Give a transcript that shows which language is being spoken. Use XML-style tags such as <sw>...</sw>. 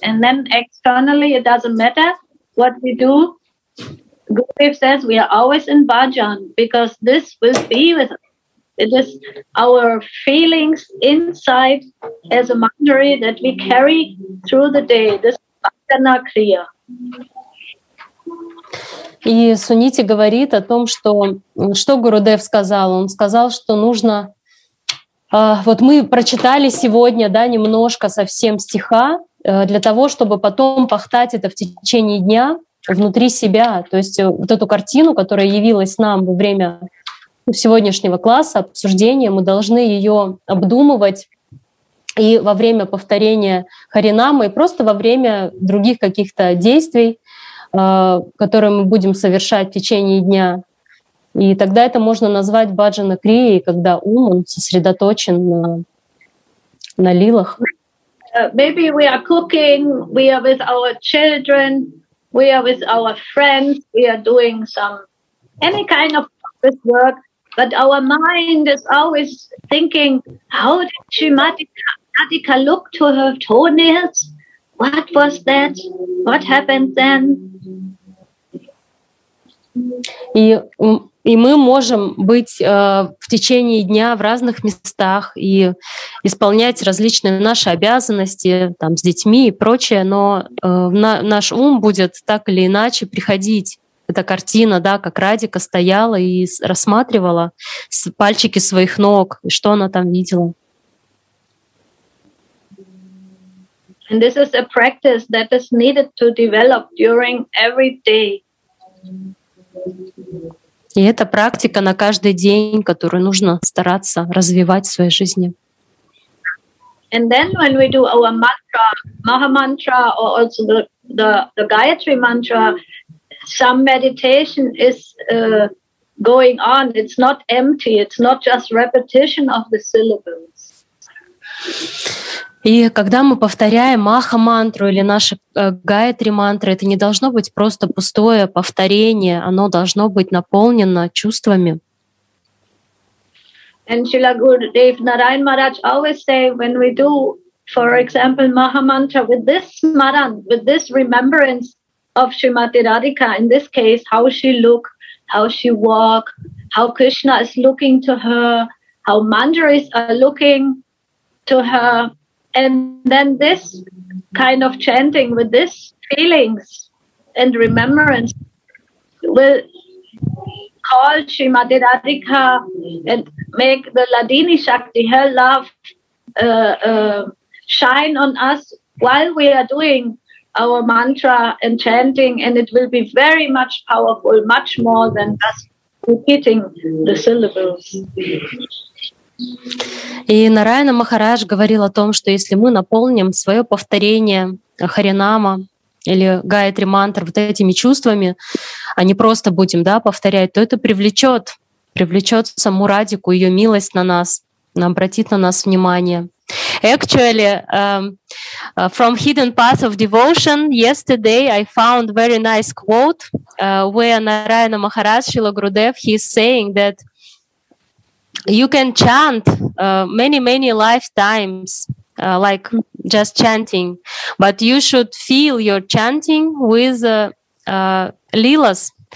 <en>And then externally, it doesn't matter what we do. Gurudev says we are always in bhajan because this will be with us. It is our feelings inside as a mandari that we carry through the day. This is bhajana kriya.</en> <ru>И Сунити говорит о том, что Гурудев сказал. Он сказал, что нужно... вот мы прочитали сегодня, да, немножко совсем стиха, для того, чтобы потом пахтать это в течение дня внутри себя. То есть вот эту картину, которая явилась нам во время сегодняшнего класса, обсуждения, мы должны ее обдумывать и во время повторения харинама, и просто во время других каких-то действий, которые мы будем совершать в течение дня. И тогда это можно назвать баджана крией, когда ум, он сосредоточен на на лилах.</ru> <en>Maybe we are cooking, we are with our children, we are with our friends, we are doing some any kind of office work, but our mind is always thinking, how did Shrimati Radhika look to her toenails? What was that? What happened then?</en> <ru>И мы можем быть в течение дня в разных местах и исполнять различные наши обязанности там, с детьми и прочее, но наш ум будет так или иначе приходить. Эта картина, да, как Радика стояла и рассматривала пальчики своих ног, и что она там видела.</ru> <en>And this is a practice that is needed to develop during every day.</en> <ru>И это практика на каждый день, которую нужно стараться развивать в своей жизни.</ru> <en>And then when we do our mantra, Maha mantra, or also the Gayatri mantra, some meditation is going on. It's not empty. It's not just repetition of the syllables.</en> <ru>И когда мы повторяем Маха-мантру или наши Гаятри-мантры, это не должно быть просто пустое повторение, оно должно быть наполнено чувствами.</ru> <en>And Srila Gurudev Narayan Maharaj always say, when we do, for example, Maha-mantra with this smaran, with this remembrance of Srimati Radhika, in this case, how she look, how she walk, how Krishna is looking to her, how mandaris are looking to her, and then this kind of chanting with this feelings and remembrance will call Srimati Radhika and make the Ladini Shakti, her love, shine on us while we are doing our mantra and chanting, and it will be very much powerful, much more than just repeating the syllables.</en> <ru>И Нараяна Махарадж говорил о том, что если мы наполним свое повторение Харинама или Гаятри мантр вот этими чувствами, а не просто будем, да, повторять, то это привлечет саму Радику, ее милость на нас, обратит на нас внимание.</ru> <en>Actually, from Hidden Path of Devotion, yesterday I found very nice quote where Нараяна Махарадж Шрила Гурудев, he is saying that you can chant many lifetimes, like just chanting, but you should feel your chanting with lilas.</en>